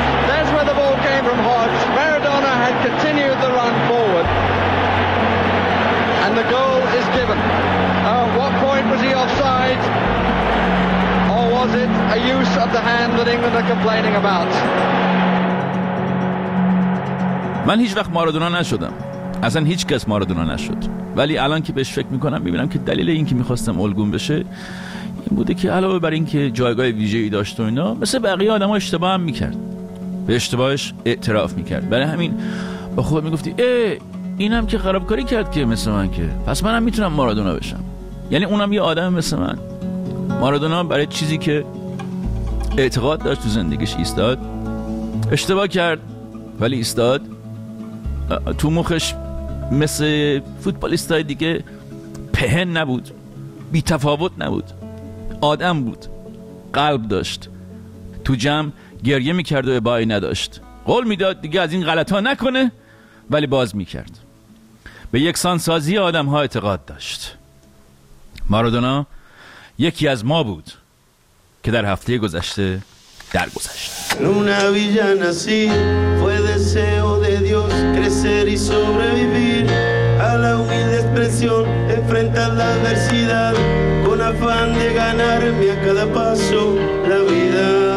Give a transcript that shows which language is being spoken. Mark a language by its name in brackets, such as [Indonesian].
[English] That's where the ball came from Hodge. Maradona had continued the run forward. And the goal is given. At what point was he offside? Was it a use of the hand that England are complaining about? [Persian] من هیچ وقت مارادونا نشدم. اصلا هیچ کس مارادونا نشد. ولی الان که بهش فکر میکنم میبینم که دلیل این که میخواستم الگون بشه این بوده که علاوه بر این که جایگاه ویژه‌ای داشت و اینا، مثل بقیه آدم‌ها اشتباه هم میکرد، به اشتباهش اعتراف میکرد. برای همین با خود میگفتی ای اینم که خرابکاری کرد که مثل من، که پس منم میتونم مارادونا بشم. یعنی اونم یه آدم مثل من. مارادونا برای چیزی که اعتقاد داشت تو زندگیش ایستاد، اشتباه کرد ولی ایستاد. تو مخش مثل فوتبالیستای دیگه پهن نبود، بی تفاوت نبود، آدم بود، قلب داشت. تو جمع گریه میکرد و ابایی نداشت، قول میداد دیگه از این غلط ها نکنه ولی باز میکرد. به یکسان سازی آدم ها اعتقاد داشت. مارادونا یکی از ما بود که در هفته گذشته درگذشت. [Spanish] Luna villa nací, fue deseo de Dios crecer y sobrevivir a la humilde expresión, enfrentar la adversidad con afán de ganarme a cada paso la vida.